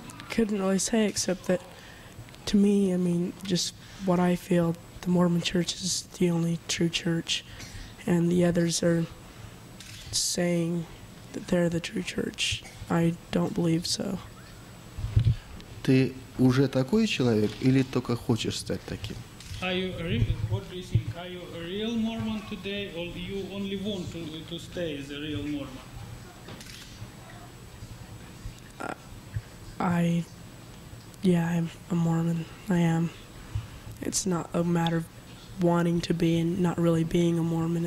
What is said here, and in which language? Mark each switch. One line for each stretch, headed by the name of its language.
English: Couldn't really say, except that to me, I mean, just what I feel, the Mormon church is the only true church, and the others are saying that they're the true church. I don't believe so.
Russian: Ты уже такой человек или только хочешь стать таким?
English: What do you think? Are you a real Mormon today, or you only want to stay as a real Mormon? I'm a Mormon. I am. It's not a matter of wanting to be and not really being a Mormon.